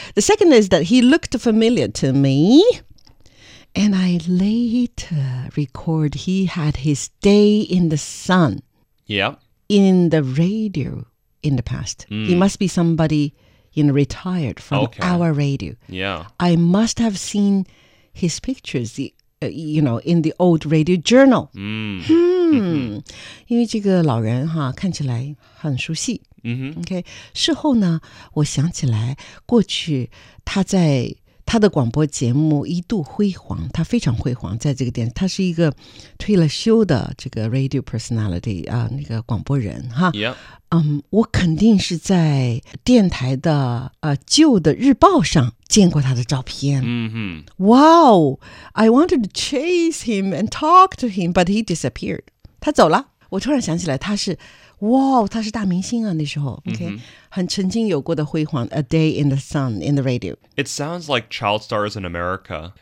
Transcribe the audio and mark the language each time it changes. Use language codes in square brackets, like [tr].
[en] The second is that he looked familiar to me. And I later record he had his day in the sun. Yeah. In the radio in the past. Mm. He must be somebody, you know, retired from our radio. Yeah. I must have seen his pictures, you know, in the old radio journal. [zh] Mm. 因为这个老人哈看起来很熟悉。 Mm-hmm. Okay. 事后呢我想起来过去他在他的广播节目一度辉煌，他非常辉煌，在这个电视，他是一个退了休的这个 radio personality 啊，那个广播人哈。 [en] Yeah. [zh] 我肯定是在电台的旧的日报上见过他的照片。 Mm-hmm. [en] Wow, I wanted to chase him and talk to him, but he disappeared. [zh] 他走了。我突然想起来，他是大明星啊那时候 okay? Mm-hmm. 很曾经有过的辉煌 A day in the sun in the radio. [en] It sounds like child stars in America.